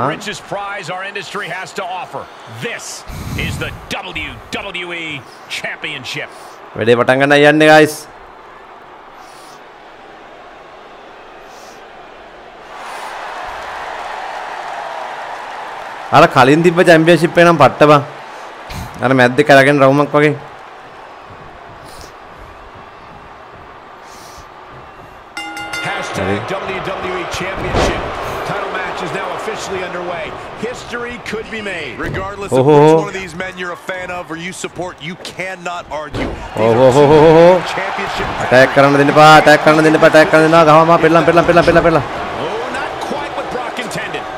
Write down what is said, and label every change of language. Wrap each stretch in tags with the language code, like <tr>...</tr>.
<en>This is the richest prize our industry has to offer. This is the WWE championship.</en> <si>වැඩේ පටන් ගන්න යන්නේ guys. අර කලින් තිබ්බ championship එක නම් පට්ටපන්. අර මැද්දේ කරගෙන රවුමක් වගේ.</si> <en>WWE Championship title match is now officially underway. History could be made. Regardless of which one of these men you're a fan of or you support, you cannot argue. Championship.</en> <si>Attack කරන්න දෙන්න එපා. Attack කරන්න දෙන්න එපා. Attack කරන්න දෙන්න. ගහවම පෙල්ලම් පෙල්ලම් පෙල්ලම් පෙල්ලම් පෙල්ලම්.</si> <en>Oh, not quite what Brock intended.</en>